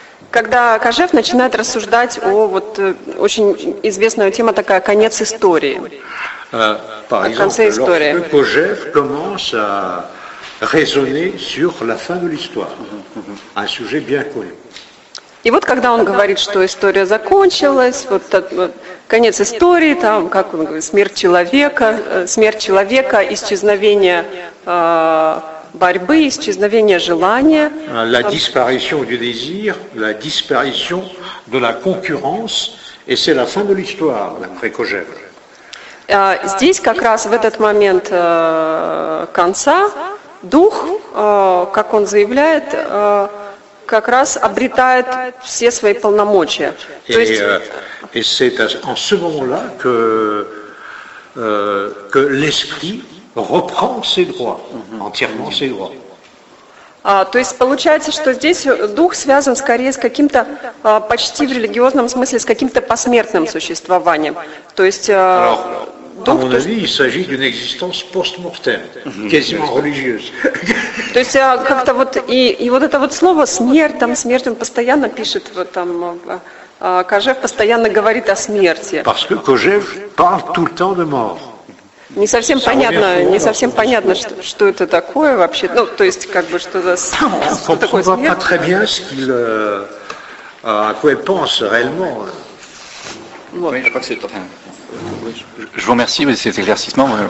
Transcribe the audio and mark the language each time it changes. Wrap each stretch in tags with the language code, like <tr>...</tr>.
<ru>Когда Кожев начинает рассуждать о вот очень известная тема такая конец истории.</ru> <fr>Кожев commence à raisonner sur la fin de l'histoire. Un sujet bien connu.</fr> <ru>И вот когда он говорит, что история закончилась, вот конец истории, там, как он говорит, смерть человека, исчезновение борьбы, исчезновение желания.</ru> <fr>La disparition du désir, la disparition de la concurrence, et c'est la fin de l'histoire, d'après Кожев.</fr> <ru>Здесь как раз в этот момент конца дух, как он заявляет, как раз обретает все свои полномочия.</ru> <fr>Et c'est en ce moment-là que l'esprit reprend ses droits, entièrement ses droits.</fr> <ru>То есть получается, что здесь дух связан скорее с каким-то почти в религиозном смысле с каким-то посмертным существованием. То есть</ru> <fr>дух, à mon avis, il s'agit d'une existence post-mortem, quasiment religieuse.</fr> <ru>То есть как-то вот и вот это вот слово смерть, там смерть, он постоянно пишет вот там Кожев постоянно говорит о смерти.</ru> <fr>Parce que Кожев parle tout le temps de mort.</fr> <ru>Не совсем понятно, не совсем понятно, что это такое вообще. Ну, то есть как бы что за такое смерть?</ru> <fr>Pas très bien ce qu'il à quoi il pense réellement. Je vous remercie de cet éclaircissement.</fr>